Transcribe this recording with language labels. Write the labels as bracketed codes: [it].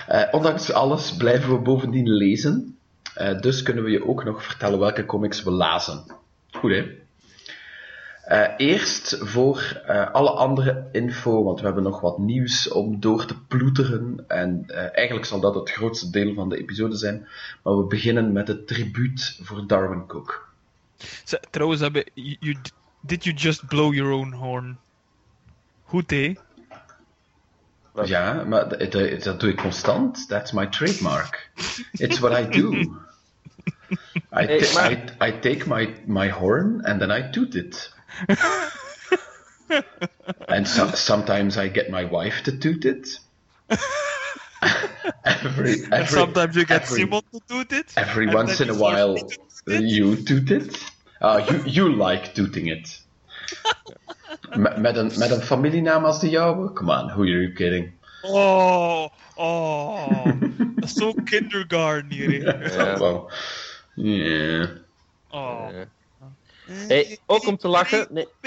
[nl] ondanks alles blijven we bovendien lezen. Dus kunnen we je ook nog vertellen welke comics we lazen. Goed, hè? Eerst, voor alle andere info, want we hebben nog wat nieuws om door te ploeteren. En eigenlijk zal dat het grootste deel van de episode zijn. Maar we beginnen met het tribuut voor Darwin Cook. Trouwens, [en] did you just blow your own horn? [nl] Goed, hè? Ja, maar dat doe ik constant. [en] That's my trademark. It's what I do. I take my horn and then I toot it. And sometimes I get my wife to toot it. And sometimes you get Simon to toot it. Every once in a while, you toot it. You like tooting it. [nl] met een familienaam als de jouwe? [en] Come on, who are you kidding? [nl] Oh, dat is zo kindergarten hier. Ja, yeah. Hey, ook om te lachen.